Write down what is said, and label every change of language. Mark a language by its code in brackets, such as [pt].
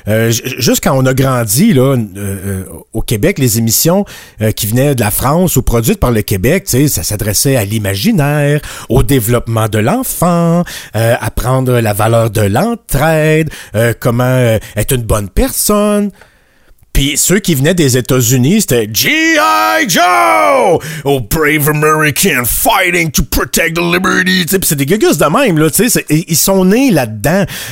[fr] Juste quand on a grandi là au Québec, les émissions qui venaient de la France ou produites par le Québec, tu sais, ça s'adressait à l'imaginaire, au développement de l'enfant, apprendre la valeur de l'entraide, comment être une bonne personne. Pis ceux qui venaient des États-Unis, c'était G.I. Joe! [en] Oh, brave American fighting to protect the liberty! [fr] T'sais, pis c'est des gugus de même, là, t'sais. Ils sont nés là-dedans.